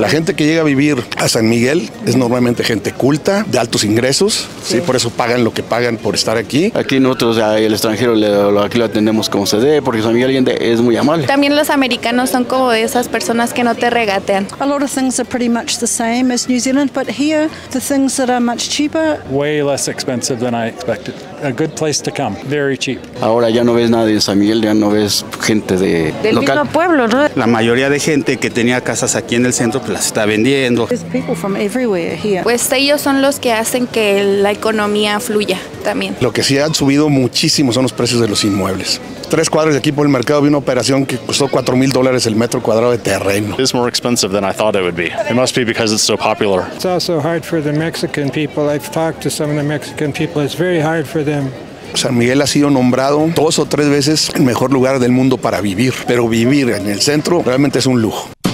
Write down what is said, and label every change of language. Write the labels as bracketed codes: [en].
[es] La gente que llega a vivir a San Miguel es normalmente gente culta, de altos ingresos, sí. ¿Sí? Por eso pagan lo que pagan por estar aquí. Aquí nosotros, el extranjero, aquí lo atendemos como se debe, porque San Miguel Allende es muy amable. También los americanos son como de esas personas que no te regatean. [en] A lot of things are pretty much the same as New Zealand, but here the things that are much cheaper. Way less expensive than I expected. A good place to come. Very cheap. [es] Ahora ya no ves nadie en San Miguel, ya no ves gente de del local. Mismo pueblo, ¿no? La mayoría de gente que tenía casas aquí en el centro pues las está vendiendo. [en] There's people from everywhere here. [es] Pues ellos son los que hacen que la economía fluya también. Lo que sí han subido muchísimo son los precios de los inmuebles. Tres cuadras de aquí por el mercado vi una operación que costó $4,000 el metro cuadrado de terreno. [en] It's more expensive than I thought it would be. It must be because it's so popular. It's also hard for the Mexican people. I've talked to some of the Mexican people. It's very hard for them. [es] San Miguel ha sido nombrado dos o tres veces el mejor lugar del mundo para vivir, pero vivir en el centro realmente es un lujo.